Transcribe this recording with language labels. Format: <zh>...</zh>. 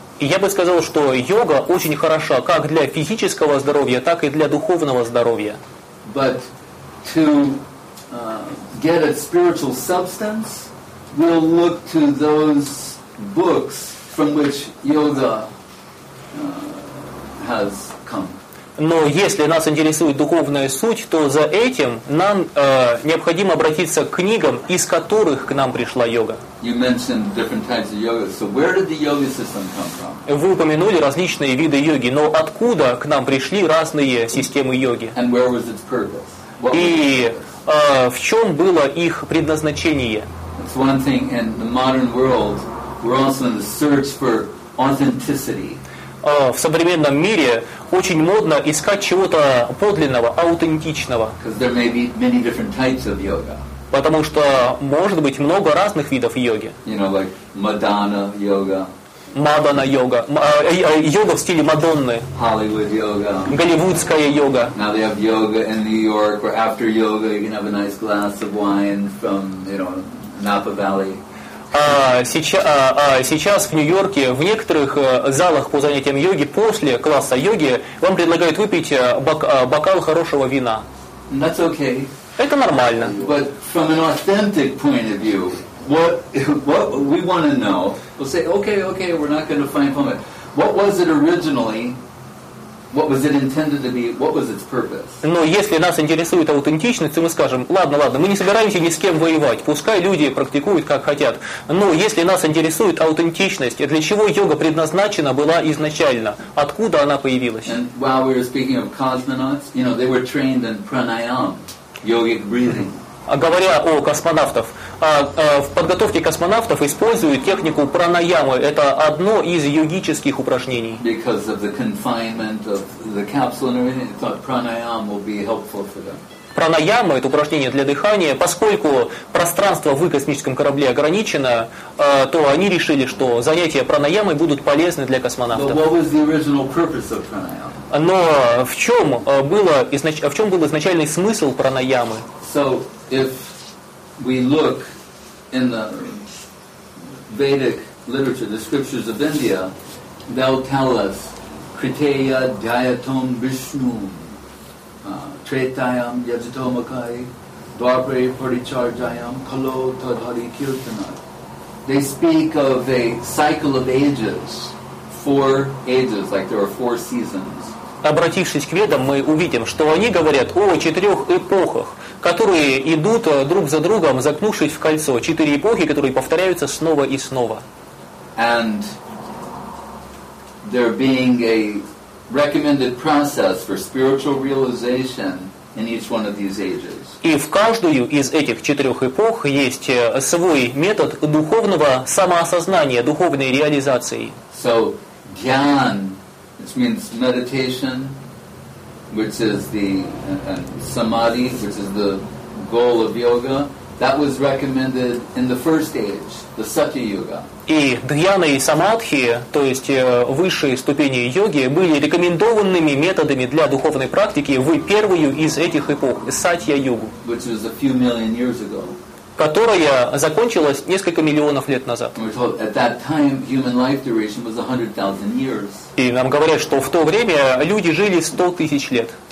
<ru>И я бы сказал, что йога очень хороша как для физического здоровья, так и для духовного здоровья.</ru> <en>But to get its spiritual substance, we'll look to those books from which yoga has come.</en> <ru>Но если нас интересует духовная суть, то за этим нам необходимо обратиться к книгам, из которых к нам пришла йога.</ru> <en>You mentioned different types of yoga. So where did the yoga system come from?</en> <ru>Вы упомянули различные виды йоги, но откуда к нам пришли разные системы йоги?</ru> <en>And where was its purpose?</en> <ru>И в чем было их предназначение?</ru> <en>It's one thing in the modern world, we're also in the search for authenticity.</en> <ru>В современном мире очень модно искать чего-то подлинного, аутентичного.</ru> <en>Because there may be many different types of yoga.</en> <ru>Потому что может быть много разных видов йоги.</ru> <en>You know, like Madonna yoga.</en> <ru>Мадонна йога. Йога в стиле Мадонны.</ru> <en>Hollywood yoga.</en> <ru>Голливудская йога.</ru> <en>Now they have yoga in New York, where after yoga you can have a nice glass of wine from, you know, Napa Valley.</en> <ru>Сейчас в Нью-Йорке в некоторых залах по занятиям йоги после класса йоги вам предлагают выпить бокал хорошего вина.</ru> <en>That's okay.</en> <ru>Это нормально.</ru> <en>But from an authentic point of view, what we want to know, we'll say, okay, we're not going to find fault. What was it originally? What was it intended to be? What was its purpose?</en> <ru>Но если нас интересует аутентичность, то мы скажем, ладно, мы не собираемся ни с кем воевать, пускай люди практикуют как хотят. Но если нас интересует аутентичность, для чего йога предназначена была изначально? Откуда она появилась?</ru> <en>And while we were speaking of cosmonauts, you know, they were trained in pranayama, yogic breathing.</en> <ru>Говоря о космонавтах, в подготовке космонавтов используют технику пранаямы. Это одно из йогических упражнений.</ru> <en>Because of the confinement of the capsule and everything, I thought pranayama will be helpful for them.</en> <ru>Пранаяма — это упражнение для дыхания. Поскольку пространство в космическом корабле ограничено, то они решили, что занятия пранаямой будут полезны для космонавтов.</ru> <en>But what was the original purpose of pranayama?</en> <ru>Но в чем был изначальный смысл пранаямы?</ru> <en>So, if we look in the Vedic literature, the scriptures of India, they'll tell us,</en> <sa>Kriteya Dhyatam Vishnu, Tretayam Yajitomakai, Dvapare Parichardayam, Kalo Tadhari Kirtana.</sa> <en>They speak of a cycle of ages, four ages, like there are four seasons.</en> <ru>Обратившись к ведам, мы увидим, что они говорят о четырех эпохах, которые идут друг за другом, закнувшись в кольцо. Четыре эпохи, которые повторяются снова и снова.</ru> <en>And there being a recommended process for spiritual realization in each one of these ages.</en> <ru>И в каждую из этих четырех эпох есть свой метод духовного самоосознания, духовной реализации.</ru> <en>So, dhyan, which means meditation, which is the samadhi, which is the goal of yoga, that was recommended in the first age, the Satya Yuga.</en> <ru>И дхьяна и самадхи, то есть высшие ступени йоги, были рекомендованными методами для духовной практики в первую из этих эпох, Сатья Югу,</ru> <en>which was a few million years ago.</en> <ru>Которая закончилась несколько миллионов лет назад. И нам говорят, что в то время люди жили 100 тысяч лет.</ru>